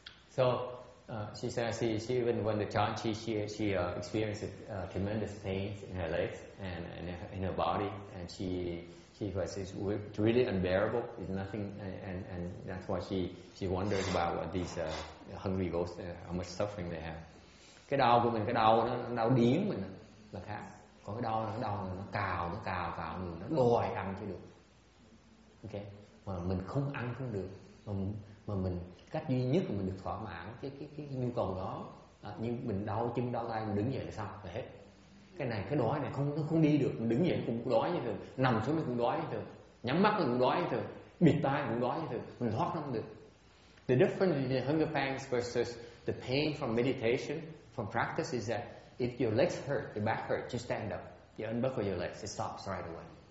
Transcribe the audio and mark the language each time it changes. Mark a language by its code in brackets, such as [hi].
[en] So she says she even when the child she experienced tremendous pain in her legs and in her body, and she was really unbearable. It's nothing, and that's why she wonders about what these hungry ghosts how much suffering they have. [vi] Cái đau của mình, cái đau nó đau điếng mình là khác. Còn cái đau là cái đau nó cào mình, nó đòi ăn chứ được. Okay, mà mình không ăn không được, mà mình cách duy nhất mà mình được thỏa mãn cái nhu cầu đó, nhưng mình đau chân đau tay mình đứng dậy là xong là hết. Cái này cái đói này không, nó không đi được, mình đứng dậy cũng đói như thường, nằm xuống nó cũng đói như thường, nhắm mắt nó cũng đói như thường, bịt tai cũng đói như thường, mình thoát không được. [en] The difference between the hunger pangs versus the pain from meditation, from practice is that if your legs hurt, your back hurt, just stand up. You unbuckle your legs, it stops right away.